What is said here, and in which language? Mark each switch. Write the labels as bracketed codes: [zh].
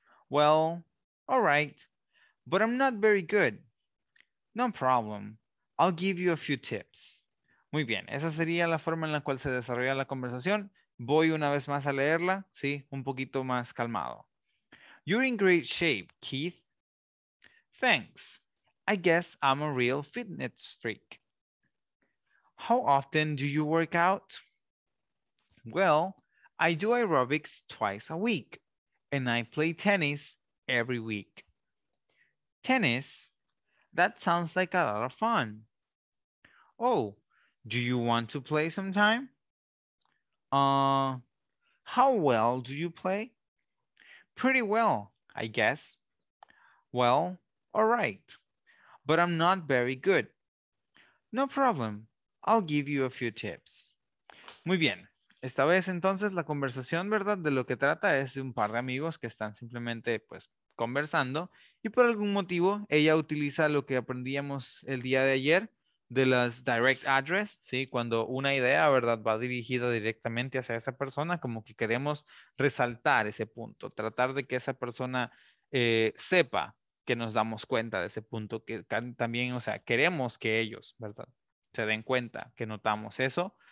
[en] Well, all right, but I'm not very good. No problem. I'll give you a few tips. [es] Muy bien, esa sería la forma en la cual se desarrolla la conversación. Voy una vez más a leerla, ¿sí? Un poquito más calmado. [en] You're in great shape, Keith. Thanks. I guess I'm a real fitness freak. How often do you work out? Well, I do aerobics twice a week, and I play tennis every week. Tennis? That sounds like a lot of fun. Oh, do you want to play sometime? How well do you play? Pretty well, I guess. Well, all right, but I'm not very good. No problem, I'll give you a few tips. [es] Muy bien, esta vez entonces la conversación, ¿verdad?, de lo que trata es un par de amigos que están simplemente, pues, conversando, y por algún motivo ella utiliza lo que aprendíamos el día de ayer, de las direct address, ¿sí? Cuando una idea, ¿verdad?, va dirigida directamente hacia esa persona, como que queremos resaltar ese punto, tratar de que esa persona sepa que nos damos cuenta de ese punto, que también, o sea, queremos que ellos, ¿verdad?, se den cuenta que notamos eso.